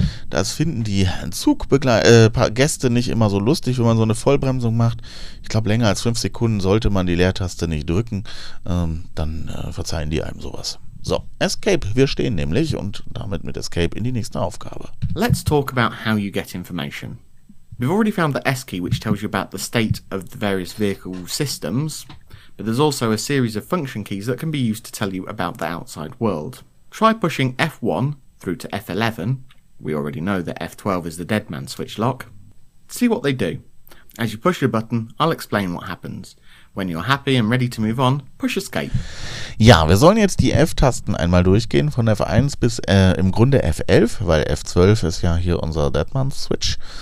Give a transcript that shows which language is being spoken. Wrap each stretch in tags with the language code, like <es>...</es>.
<de>Das finden die Gäste nicht immer so lustig, wenn man so eine Vollbremsung macht. Ich glaube, länger als 5 Sekunden sollte man die Leertaste nicht drücken. Dann verzeihen die einem sowas. So, Escape. Wir stehen nämlich und damit mit Escape in die nächste Aufgabe.</de> <en>Let's talk about how you get information. We've already found the S key, which tells you about the state of the various vehicle systems, but there's also a series of function keys that can be used to tell you about the outside world. Try pushing F1 through to F11. We already know that F12 is the dead man switch lock. See what they do. As you push your button, I'll explain what happens. When you're happy and ready to move on, push escape.</en> <de>Ja, wir sollen jetzt die F-Tasten einmal durchgehen, von F1 bis im Grunde F11, weil F12 ist ja hier unser Deadman-Switch.</de>